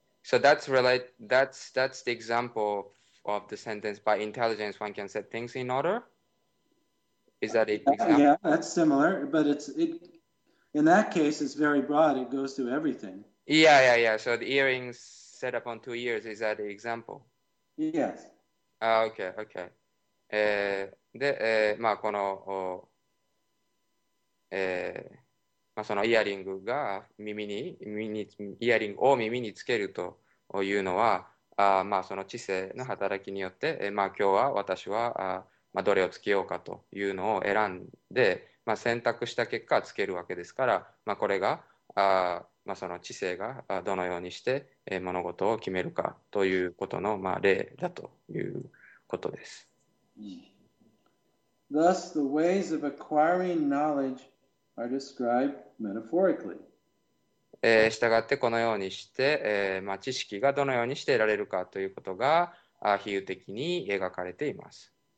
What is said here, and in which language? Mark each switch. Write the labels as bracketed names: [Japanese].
[English] So that's the example of the sentence. By intelligence, one can set things in order. Is that an example? Yeah, that's similar. But in that case, it's very broad. It goes to everything. Yeah. So the earrings set upon 2 years. Is that an example? Yes. Okay. [Japanese] で、まあ、この、まあ、そのイヤリングが耳にイヤリングを耳につけるというのは、まあ、その知性の働きによって、まあ、今日は私は、まあ、どれをつけようかというのを選んで、まあ、選択した結果つけるわけですから、まあ、これが、まあ、その知性がどのようにして物事を決めるかということの、まあ、例だということです。 [English] Thus, the ways of acquiring knowledge are described metaphorically. [Japanese] したがってこのようにして、まあ、知識がどのようにして得られるかということが比喩的に描かれています。